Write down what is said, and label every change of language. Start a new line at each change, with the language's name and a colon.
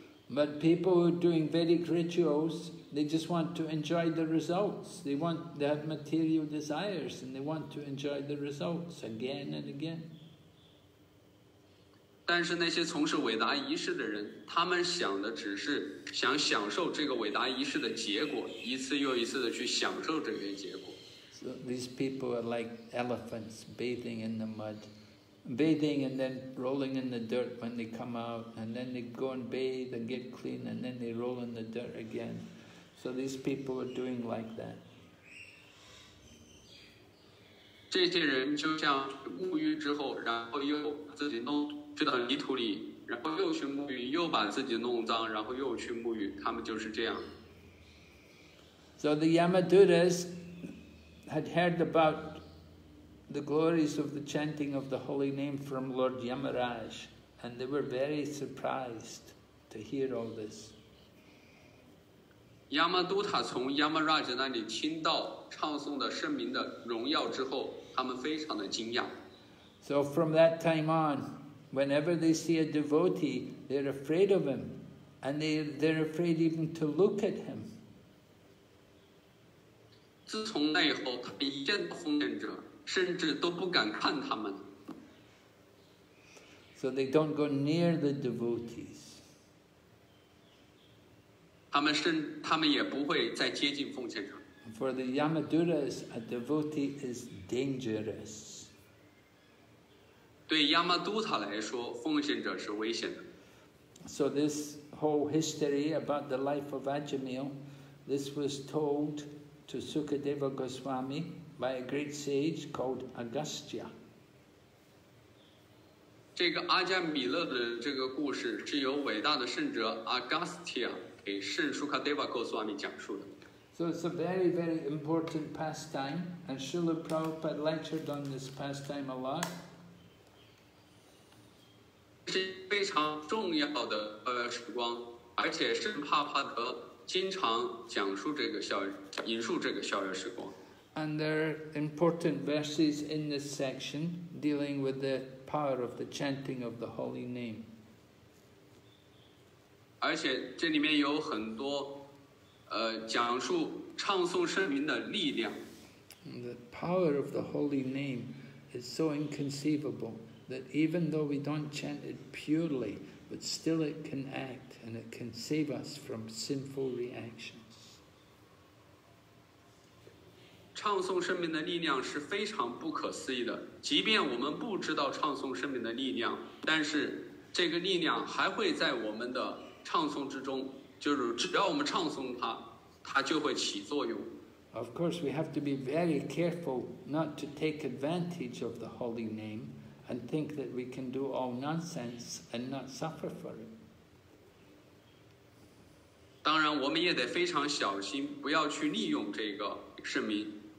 English: But people who are doing Vedic rituals, they just want to enjoy the results. They have material desires and they want to enjoy the results again and again.
Chinese: 但是那些从事伟达仪式的人，他们想的只是想享受这个伟达仪式的结果，一次又一次的去享受这些结果。
English: So these people are like elephants bathing in the mud, bathing and then rolling in the dirt when they come out, and then they go and bathe and get clean, and then they roll in the dirt again. So these people are doing like that.
Chinese: 这些人就像沐浴之后，然后又自己弄。去到泥土里，然后又去沐浴，又把自己弄脏，然后又去沐浴。他们就是这样。
English: So the Yamadutas had heard about the glories of the chanting of the holy name from Lord Yamaraj, and they were very surprised to hear all this.
Chinese: Yamaduta 从 Yamaraj 那里听到唱诵的圣名的荣耀之后，他们非常的惊讶。
English: So from that time on. Whenever they see a devotee, they're afraid of him, and they're afraid even to look at him.
Chinese: 自从那以后，他一见到奉献者，甚至都不敢看他们。
English: So they don't go near the devotees.
Chinese: 他们也不会再接近奉献者。
English: For the Yamaduras, a devotee is dangerous.
Chinese: 对亚玛都塔来说，奉献者是危险的。
English: So this whole history about the life of Ajamil, this was told to Sukadeva Goswami by a great sage called Agastya.
Chinese: 这个阿加米勒的这个故事是由伟大的圣者 Agastya 给圣 Sukadeva Goswami 讲述的。
English: So it's a very, very important pastime, and Srila Prabhupada lectured on this pastime a lot.
Chinese: 是非常重要的时光，而且圣帕帕德经常讲述这个笑，引述这个笑月时光。
English: And there are important verses in this section dealing with the power of the chanting of the holy name.
Chinese: 而且这里面有很多讲述唱诵圣名的力量。
English: The power of the holy name is so inconceivable that even though we don't chant it purely, but still it can act and it can save us from sinful reactions.
Chinese: 唱诵圣名的力量是非常不可思议的，即便我们不知道唱诵圣名的力量，但是这个力量还会在我们的唱诵之中，就是只要我们唱诵它，它就会起作用。
English: Of course, we have to be very careful not to take advantage of the holy name and think that we can do all nonsense and not suffer for it.
Chinese: 当然，我们也得非常小心，不要去利用这个圣名。